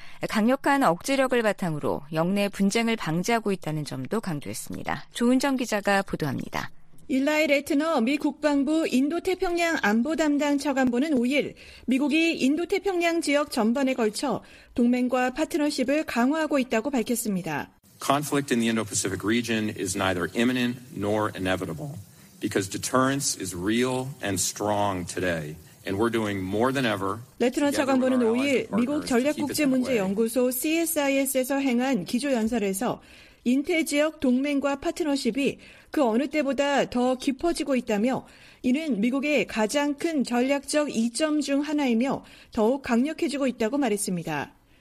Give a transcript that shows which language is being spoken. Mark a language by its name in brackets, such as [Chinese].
[Korean] 강력한 억제력을 바탕으로 역내 분쟁을 방지하고 있다는 점도 강조했습니다. 조은정 기자가 보도합니다. 일라이 레트너 미 국방부 인도태평양 안보 담당 차관보는 5일 미국이 인도태평양 지역 전반에 걸쳐 동맹과 파트너십을 강화하고 있다고 밝혔습니다. [English] Conflict in the Indo-Pacific region is neither imminent nor inevitable because deterrence is real and strong today. And we're doing more than ever. [Korean] 레트너 차관보는 5일 미국 전략국제문제연구소 CSIS에서 행한 기조연설에서 인태 지역 동맹과 파트너십이 그 어느 때보다 더 깊어지고 있다며 이는 미국의 가장 큰 전략적 이점 중 하나이며 더욱 강력해지고 있다고 말했습니다.